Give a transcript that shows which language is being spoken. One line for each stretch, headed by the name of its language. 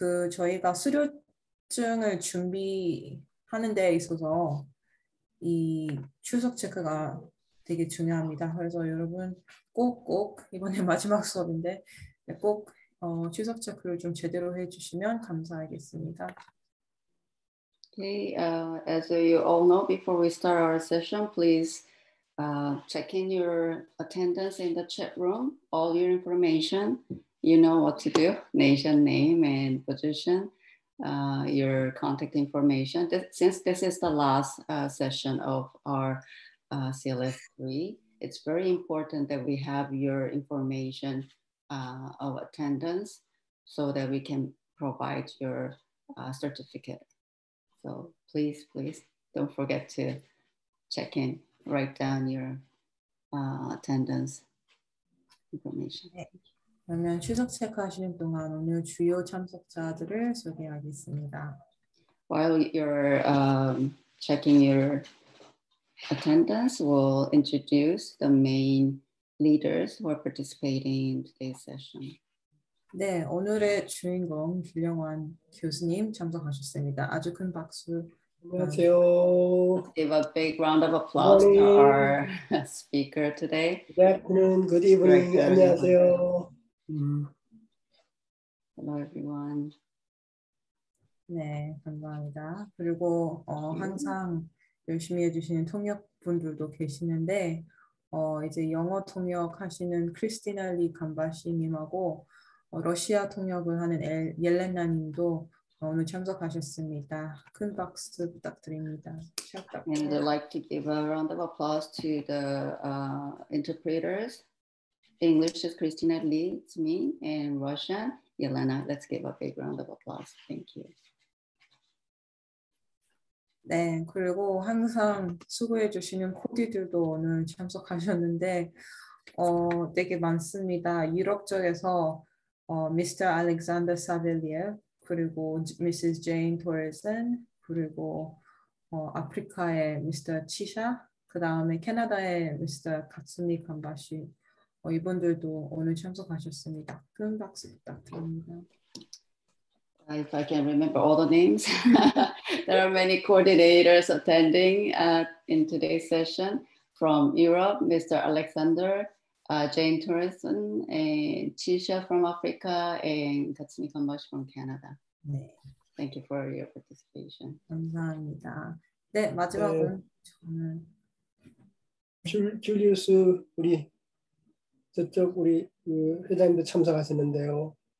Korean: 저희가 수료증을 준비하는 데 있어서 이 출석 체크가 되게 중요합니다. 그래서 여러분 꼭꼭, 이번에 마지막 수업인데 꼭 출석 체크를 좀 제대로 해주시면 감사하겠습니다.
English: Okay, as you all know, before we start our session, please check in your attendance in the chat room, all your information, you know what to do, nation name and position, your contact information. Since this is the last session of our CLS3, it's very important that we have your information of attendance so that we can provide your certificate. So please, please don't forget to check in, write down your attendance information.
Korean: 네. 그러면 출석 체크하시는 동안 오늘 주요 참석자들을 소개하겠습니다.
English: While you're checking your attendance, we'll introduce the main leaders who are participating in today's session.
Korean: 네, 오늘의 주인공 김영환 교수님 참석하셨습니다. 아주 큰 박수. 안녕하세요.
English: Give a big round of applause to our speaker today. Good evening.
Korean: 안녕하세요.
English: Hello everyone.
Korean: 네, 감사합니다. 그리고 항상 열심히 해주시는 통역 분들도 계시는데 이제 영어 통역 하시는 크리스티나 리 감바시님하고 러시아 통역을 하는 옐레나님도 오늘 참석하셨습니다. 큰 박수 부탁드립니다.
English: And I'd like to give a round of applause to the interpreters. English is Christina Lee, it's me, and Russian, Yelena. Let's give a big round of applause. Thank you.
Korean: 네, 그리고 항상 수고해 주시는 코디들도 오늘 참석하셨는데 되게 많습니다. 유럽 쪽에서 Mr. Alexander Savelier, 그리고 Mrs. Jane Torreson, 그리고 아프리카의 Mr. Chisha, 그 다음에 캐나다의 Mr. Katsumi Kambashi, 이분들도 오늘 참석하셨습니다. 큰 박수 부탁드립니다.
English: If I can remember all the names, there are many coordinators attending in today's session from Europe, Mr. Alexander, Jane Torreson, and Chisha from Africa, and Katsumi Kambashi from Canada.
Korean: 네.
English: Thank you for your participation.
Korean: 감사합니다. 네, 마지막은 저는 줄리우스 우리 저쪽 우리 회장님도 참석하셨는데요.